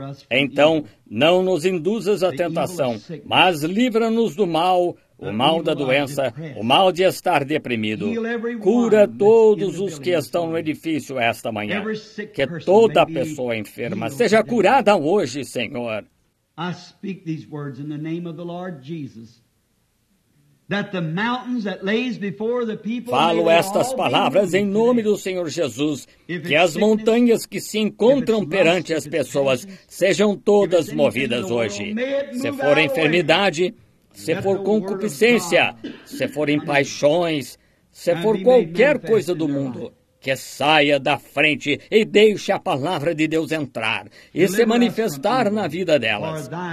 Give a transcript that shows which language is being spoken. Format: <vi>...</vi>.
<pt>Então, não nos induzas à tentação, mas livra-nos do mal, o mal da doença, o mal de estar deprimido. Cura todos os que estão no edifício esta manhã. Que toda pessoa enferma seja curada hoje, Senhor.</pt> <en>I speak these words in the name of the Lord Jesus. That the mountains that lays before the people,</en> <pt>falo estas palavras em nome do Senhor Jesus, que as montanhas que se encontram perante as pessoas sejam todas movidas hoje. Se for enfermidade, se for concupiscência, se forem paixões, se for qualquer coisa do mundo, que saia da frente e deixe a palavra de Deus entrar e se manifestar na vida delas.</pt>